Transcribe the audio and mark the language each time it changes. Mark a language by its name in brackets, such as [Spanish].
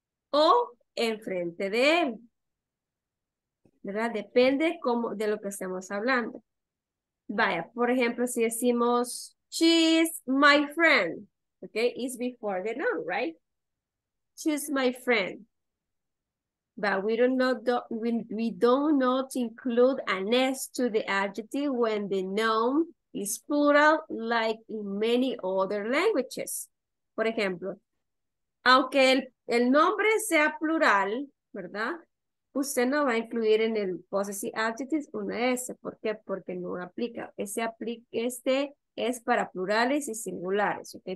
[Spanish] O enfrente de él, ¿verdad? Depende cómo, de lo que estemos hablando. Vaya, por ejemplo, si decimos, [English] she's my friend, [Spanish] ¿ok? [English] Is before the noun, right? She's my friend. But we don't include an S to the adjective when the noun is plural like in many other languages. [Spanish] Por ejemplo, aunque el nombre sea plural, ¿verdad? Usted no va a incluir en el possessive adjective una S. ¿Por qué? Porque no aplica. Este es para plurales y singulares. ¿Okay?